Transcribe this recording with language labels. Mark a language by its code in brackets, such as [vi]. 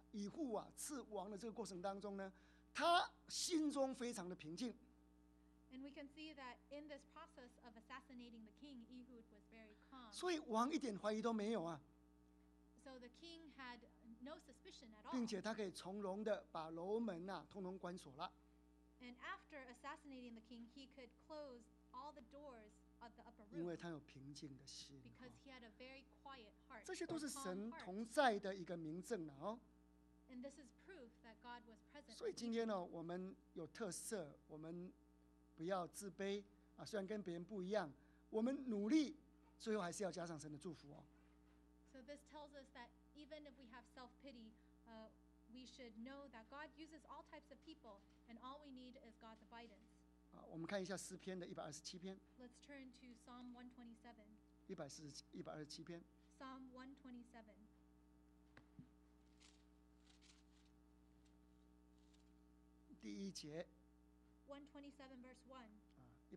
[zh] 所以你看，整个在啊以户啊刺王的这个过程当中呢。他心中非常的平静。 [en] And we can see that in this process of assassinating the king, Ehud was very calm. [zh] 所以王一点怀疑都没有啊。 [en] So the king had no suspicion at all. [zh] 并且他可以从容的把楼门啊通通关锁了。 [en] And after assassinating the king, he could close all the doors of the upper room. [zh] 因为他有平静的心。 [en] Because he had a very quiet heart. [zh] 这些都是神同在的一个明证了哦。 [en] And this is proof that God was present. [zh] 所以今天呢， 我们有特色， 我们不要自卑， 啊， 虽然跟别人不一样， 我们努力， 最后还是要加上神的祝福哦。 [en] So this tells us that even if we have self-pity, we should know that God uses all types of people, and all we need is God's guidance. [zh] 啊， 我们看一下诗篇的127篇。 [en] Let's turn to Psalm 127. [zh] 127篇。 [en] Psalm 127. [zh] 第一节 [en] 127 verse 1